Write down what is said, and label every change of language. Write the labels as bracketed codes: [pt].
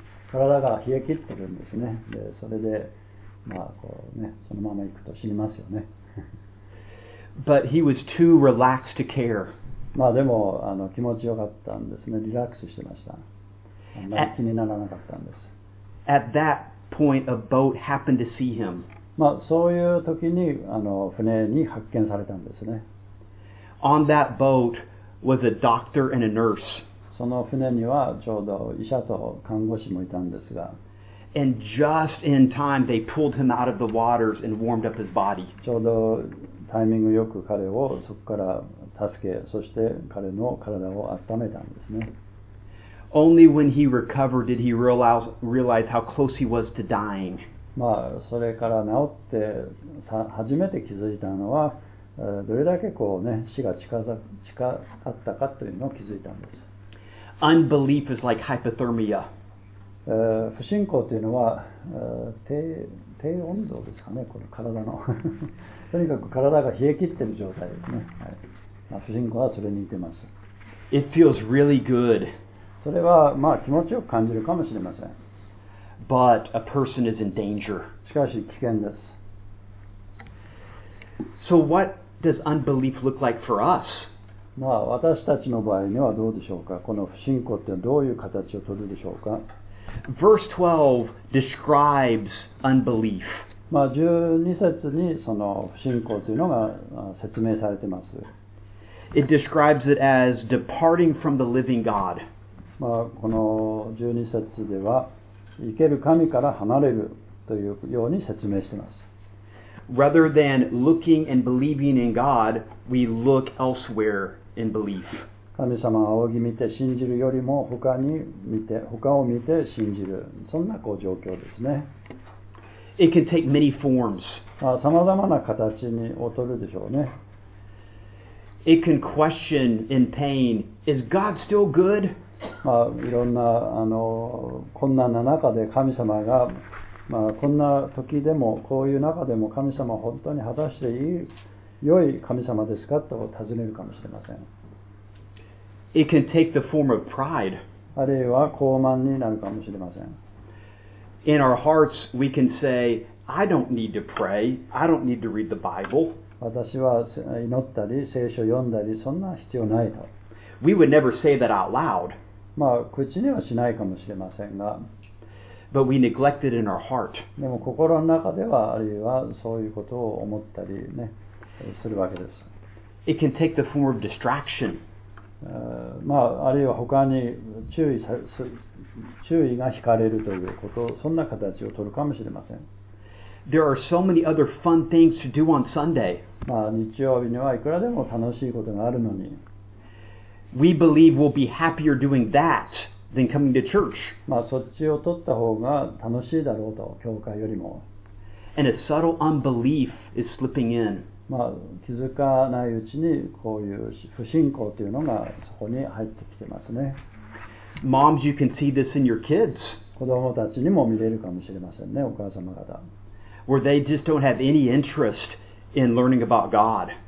[ja] 体が冷え切ってるんですね。で、それで、まあ、こうね、そのまま行くと死にますよね。 [en] But he was too relaxed to care. [ja] まあ、でも、気持ちよかったんですね。リラックスしてました。あんまり気にならなかったんです。 [en] At that point, a boat happened to see him. [ja] まあ、そういう時に、船に発見されたんですね。 [en] On that boat was a doctor and a nurse. [ja] その船にはちょうど医者と看護師もいたんですが、 [en] And just in time, they pulled him out of the waters and warmed up his body. [ja] ちょうどタイミングよく彼をそこから助け、そして彼の体を温めたんですね。 [en] Only when he recovered did he realize how close he was to dying. [ja] まあそれから治って初めて気づいたのは、どれだけこうね死が近かったかというのを気づいたんです。 [en] Unbelief is like hypothermia. [ja] 不信仰というのは低温度ですかね、この体の。とにかく体が冷え切っている状態ですね。はい、まあ、不信仰はそれに似てます。 [en] It feels really good. [ja] それはまあ気持ちよく感じるかもしれません。 [en] But a person is in danger. [ja] しかし危険です。 [en] So what does unbelief look like for us? [ja] まあ私たちの場合にはどうでしょうか。この不信仰ってどういう形を取るでしょうか。 [en] Verse 12 describes unbelief. [ja] まあ12節にその不信仰というのが説明されています。 [en] It describes it as departing from the living God. [ja] まあこの12節では生ける神から離れるというように説明しています。 [en] Rather than looking and believing in God, we look elsewhere in belief. [ja] 神様を仰ぎ見て信じるよりも他を見て信じる、そんなこう状況ですね。 [en] It can take many forms. [ja] さまざまな形に劣るでしょうね。 [en] It can question in pain, is God still good? [ja] まあ、いろんな困難な中で神様がまあ、こんな時でもこういう中でも神様は本当に果たしていい良い神様ですかと尋ねるかもしれません。 [en] It can take the form of pride. [ja] あるいは傲慢になるかもしれません。 [en] In our hearts, we can say, I don't need to pray. I don't need to read the Bible. [ja] 私は祈ったり聖書読んだりそんな必要ないと。 [en] We would never say that out loud. [ja] まあ口にはしないかもしれませんが。 [en] But we neglect it in our heart. [ja] でも心の中ではあるいはそういうことを思ったりねするわけです。 [en] It can take the form of distraction. [ja] まああるいは他に注意が引かれるということそんな形を取るかもしれません。 [en] There are so many other fun things to do on Sunday. [ja] まあ日曜日にはいくらでも楽しいことがあるのに。 [en] We believe we'll be happier doing that. Than coming to church. [ja] まあそっちを取った方が楽しいだろうと教会よりも。 [en] And a subtle unbelief is slipping in. [ja] まあ気づかないうちにこういう不信仰というのがそこに入ってきてますね。 [en] Moms, you can see this in your kids. [ja] 子供たちにも見れるかもしれませんね、お母様方。 [en] Where they just don't have any interest in learning about God.